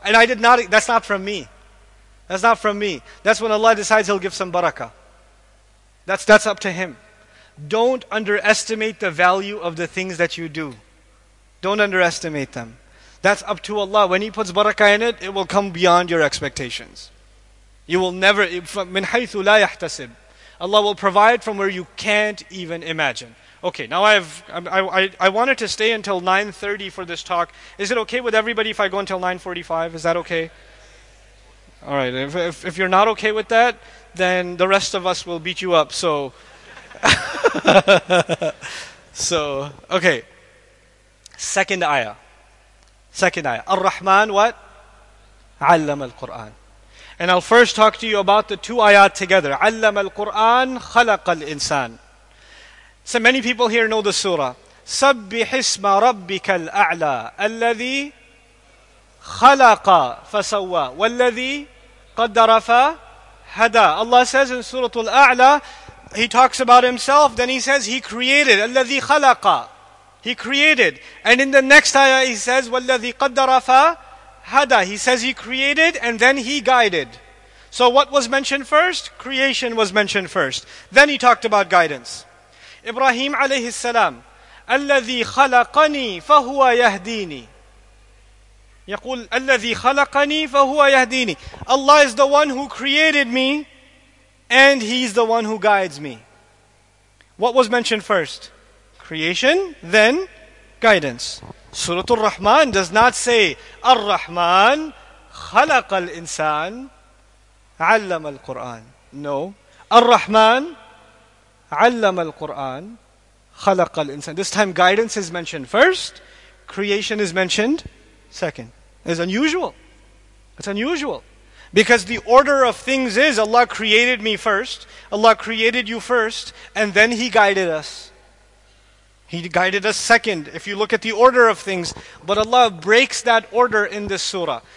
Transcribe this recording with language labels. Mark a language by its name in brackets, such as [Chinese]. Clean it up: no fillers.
[English] And I did not, that's not from me. That's not from me. That's when Allah decides He'll give some barakah. That's up to Him. Don't underestimate the value of the things that you do. Don't underestimate them. That's up to Allah. When He puts barakah in it, it will come beyond your expectations. You will never, [Arabic] مِنْ حَيْثُ لَا يَحْتَسِبْ. [English] Allah will provide from where you can't even imagine. Okay, now I wanted to stay until 9:30 for this talk. Is it okay with everybody if I go until 9:45? Is that okay? All right, if you're not okay with that, then the rest of us will beat you up. So, so okay. Second ayah. Ar-Rahman, what? Allama al-Qur'an. And I'll first talk to you about the two ayat together. [Arabic] عَلَّمَ الْقُرْآنَ خَلَقَ الْإِنسَانِ [English] So many people here know the surah. [Arabic] سَبِّحِ اسْمَ رَبِّكَ الْأَعْلَى الَّذِي خَلَقَ فَسَوَّى وَالَّذِي قَدَّرَ فَهَدَى. [English] Allah says in Surah Al-A'la, He talks about Himself, then He says, He created. [Arabic] الَّذِي خَلَقَ. [English] He created. And in the next ayah, He says, [Arabic] وَالَّذِي قَدَّرَ فَهَدَى. [English] He says, He created and then He guided. So what was mentioned first? Creation was mentioned first. Then He talked about guidance. [Arabic] Ibrahim alayhi salam, الَّذِي خَلَقَنِي فَهُوَ يَهْدِينِي. يقول الَّذِي خَلَقَنِي فَهُوَ يَهْدِينِي. [English] Allah is the one who created me, and He's the one who guides me. What was mentioned first? Creation, then guidance. Surah Ar-Rahman does not say, Ar-Rahman [Arabic] خَلَقَ الْإِنسَانِ عَلَّمَ الْقُرْآنِ. [English] No. [Arabic] Ar-Rahman عَلَّمَ الْقُرْآنِ خَلَقَ الْإِنسَانِ. [English] This time guidance is mentioned first, creation is mentioned second. It's unusual. It's unusual. Because the order of things is, Allah created me first, Allah created you first, and then He guided us. He guided us second, if you look at the order of things. But Allah breaks that order in this surah.